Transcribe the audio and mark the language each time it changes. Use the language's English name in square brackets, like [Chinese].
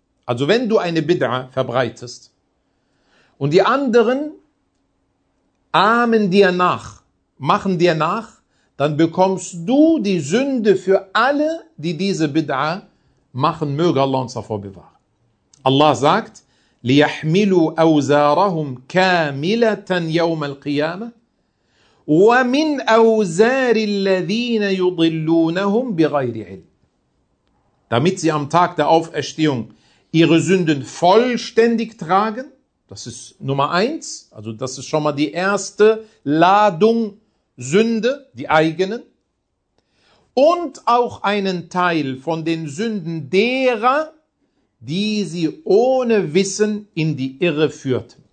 [German] Also wenn du eine Bid'a verbreitest und die anderen ahmen dir nach, machen dir nach, dann bekommst du die Sünde für alle, die diese Bid'a machen, möge Allah uns davor bewahren. Allah sagt, [Arabic] لِيَحْمِلُوا أَوْزَارَهُمْ كَامِلَةً يَوْمَ الْقِيَامَةِ وَمِنْ أَوْزَارِ الَّذِينَ يُضِلُّونَهُمْ بِغَيْرِ عِلْمٍ. [German] Damit sie am Tag der Auferstehung ihre Sünden vollständig tragen, das ist Nummer eins, also das ist schon mal die erste Ladung Sünde, die eigenen, und auch einen Teil von den Sünden derer, die sie ohne Wissen in die Irre führten.